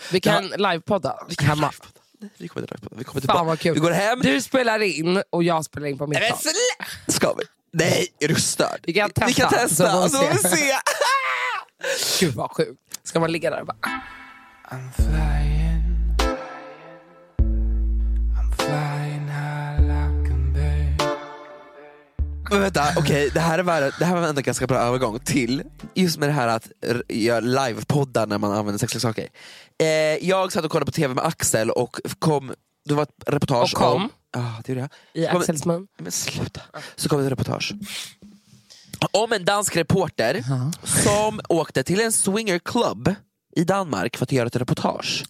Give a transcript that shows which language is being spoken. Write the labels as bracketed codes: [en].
[sv] Vi kan livepodda. Vi kommer inte livepodda. Vi går hem. Du spelar in och jag spelar in på mitt håll. Ska vi? Nej, är du störd? Vi kan testa. Vi kan testa. Så får vi se. Gud vad sjukt. Ska man ligga där och bara... [en] I'm flying. I'm flying high like a bird. [sv] Men vänta, okej. Okay. Det här var ändå ganska bra övergång till... Just med det här att göra livepoddar när man använder sexleksaker. Jag satt och kollade på tv med Axel och kom... Det var ett reportage och kom. Ja, det gjorde jag. I Axels mun. Men sluta. Så kom det ett reportage Om en dansk reporter som åkte till en swingerclub i Danmark för att göra ett reportage.